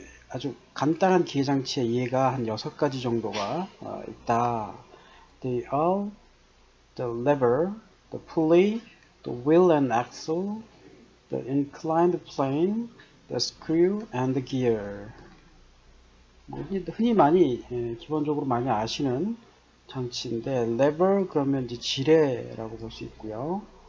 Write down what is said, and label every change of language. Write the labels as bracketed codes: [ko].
[ko] 아주 간단한 기계 장치의 예가 한 6가지 정도가 있다. [en] They are the lever, the pulley, the wheel and axle, the inclined plane, the screw and the gear. [ko] 흔히 많이 기본적으로 많이 아시는 장치인데, lever 그러면 이제 지뢰라고 볼수 있고요.